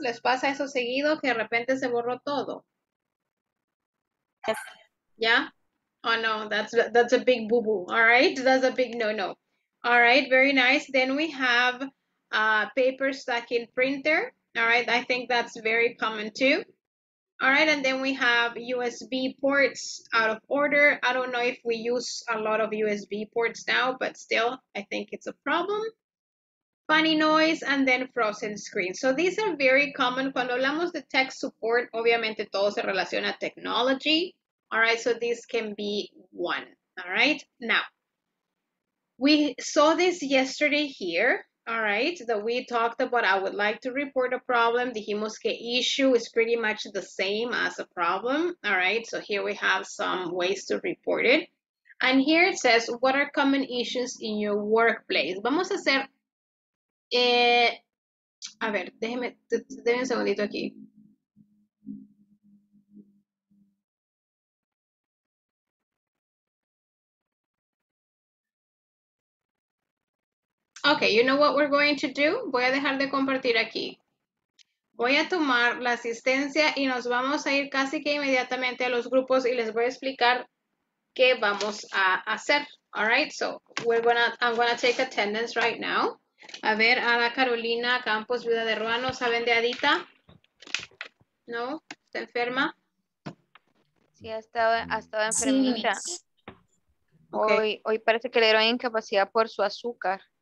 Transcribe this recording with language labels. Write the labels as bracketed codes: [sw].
[es] ¿Les pasa eso seguido que de repente se borró todo? [en] Yes. Yeah? Oh no, that's a big boo-boo. All right, that's a big no-no. All right, very nice. Then we have paper stuck in printer. All right, I think that's very common too. All right, and then we have USB ports out of order. I don't know if we use a lot of USB ports now, but still, I think it's a problem. funny noise, and then frozen screen. So these are very common. [es] Cuando hablamos de tech support, obviamente todo se relaciona a technology. [en] All right, so this can be one. All right, now, we saw this yesterday here. All right, that we talked about, I would like to report a problem. [es] Dijimos que [en] issue is pretty much the same as a problem. All right, so here we have some ways to report it. And here it says, what are common issues in your workplace? [es] Vamos a hacer, a ver, déjeme un segundito aquí. [en] Okay, you know what we're going to do? [es] Voy a dejar de compartir aquí. Voy a tomar la asistencia y nos vamos a ir casi que inmediatamente a los grupos y les voy a explicar qué vamos a hacer. [en] All right, so I'm gonna take attendance right now. [es] A ver, Ada Carolina Campos, viuda de Ruano, ¿saben de Adita? ¿No? ¿Está enferma? Sí, ha estado enfermita. Sí. Hoy, okay. Hoy parece que le dieron incapacidad por su azúcar.